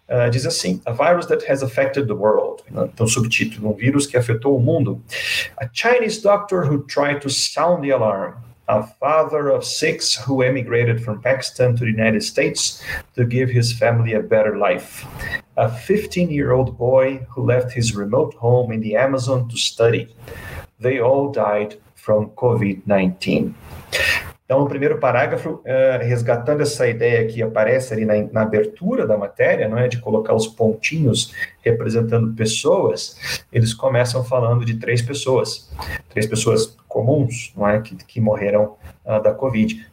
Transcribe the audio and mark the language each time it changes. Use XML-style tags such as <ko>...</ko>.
<pt>Diz assim:</pt> <en>a virus that has affected the world.</en> <pt>Então, subtítulo: um vírus que afetou o mundo.</pt> <en>A Chinese doctor who tried to sound the alarm. A father of 6 who emigrated from Pakistan to the United States to give his family a better life. A 15-year-old boy who left his remote home in the Amazon to study. They all died from COVID-19.</en> <pt>Então, o primeiro parágrafo, resgatando essa ideia que aparece ali na abertura da matéria, não é, de colocar os pontinhos representando pessoas, eles começam falando de três pessoas comuns, não é, que morreram da Covid.</pt>